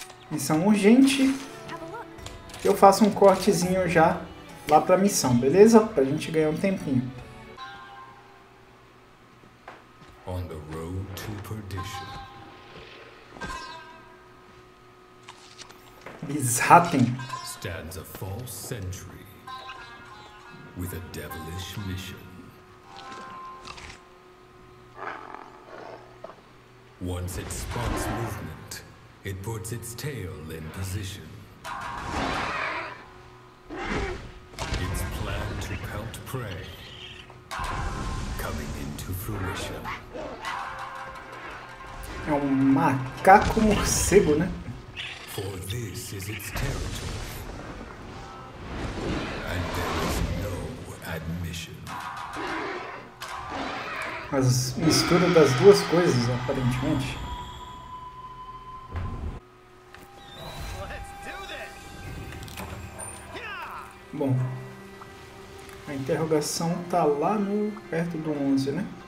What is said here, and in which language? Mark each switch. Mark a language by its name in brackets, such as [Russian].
[Portuguese] Missão urgente. Eu faço um cortezinho já lá pra missão, beleza? Pra gente ganhar um tempinho. [English] On the road to perdition. Bishatten. Stands a false sentry. With a devilish mission. Once it spots movement, it puts its tail in position. It's planned to pelt prey, coming into fruition. [Portuguese] É um macaco morcego, né? [English] For this is its territory. And there is no admission. [Portuguese] As mistura das duas coisas, aparentemente. Bom, a interrogação tá lá no perto do 11, né?